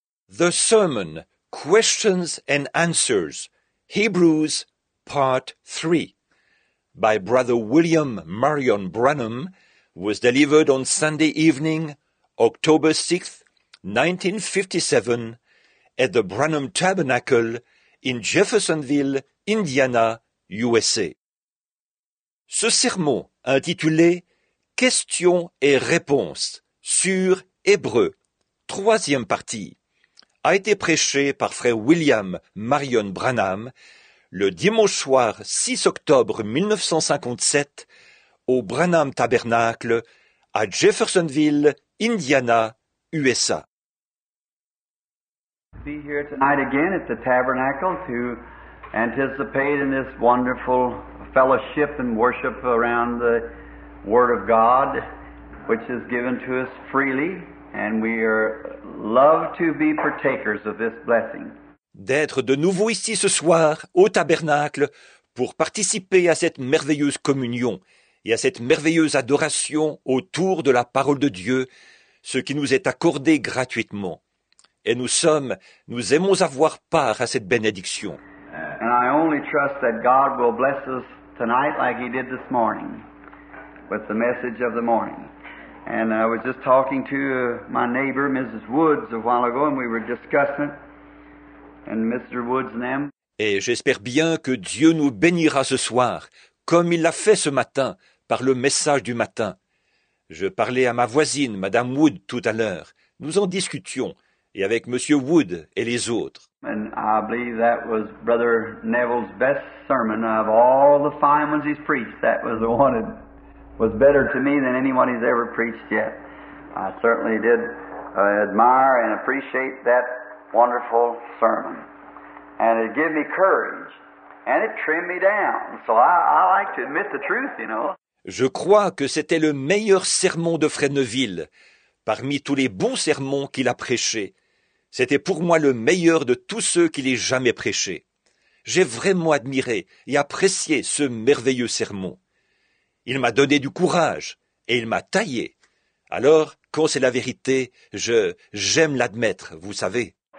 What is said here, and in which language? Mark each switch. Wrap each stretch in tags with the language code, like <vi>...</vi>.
<en>The Sermon, Questions and Answers, Hebrews, Part 3, by Brother William Marion Branham, was delivered on Sunday evening, October 6, 1957, at the Branham Tabernacle in Jeffersonville, Indiana, USA.</en> <fr>Ce sermon, intitulé « Questions et réponses sur Hébreu », troisième partie, a été prêché par Frère William Marion Branham le dimanche soir 6 octobre 1957 au Branham Tabernacle à Jeffersonville, Indiana, USA.</fr> <en>Be here tonight again at the Tabernacle to anticipate in this wonderful fellowship and worship around the Word of God, which is given to us freely. And we are loved to be partakers of this blessing.</en> <fr>D'être de nouveau ici ce soir au tabernacle pour participer à cette merveilleuse communion et à cette merveilleuse adoration autour de la parole de Dieu, ce qui nous est accordé gratuitement. Et nous aimons avoir part à cette bénédiction.</fr> <en>And I only trust that God will bless us tonight like he did this morning with the message of the morning. And I was just talking to my neighbor, Mrs. Woods, a while ago, and we were discussing it, and Mr. Woods and them.</en> <fr>Et j'espère bien que Dieu nous bénira ce soir, comme il l'a fait ce matin, par le message du matin. Je parlais à ma voisine, Madame Wood, tout à l'heure. Nous en discutions, et avec Monsieur Wood et les autres.</fr> <en>And I believe that was Brother Neville's best sermon of all the fine ones he's preached. That was the one was better to me than anyone he's ever preached yet. I certainly did admire and appreciate that wonderful sermon. And it gave me courage, and it trimmed me down. So I like to admit the truth, you know.</en> <fr>Je crois que c'était le meilleur sermon de Frère Neville, parmi tous les bons sermons qu'il a prêchés. C'était pour moi le meilleur de tous ceux qu'il ait jamais prêché. J'ai vraiment admiré et apprécié ce merveilleux sermon. Il m'a donné du courage et il m'a taillé. Alors, quand c'est la vérité, j'aime l'admettre, vous savez.</fr>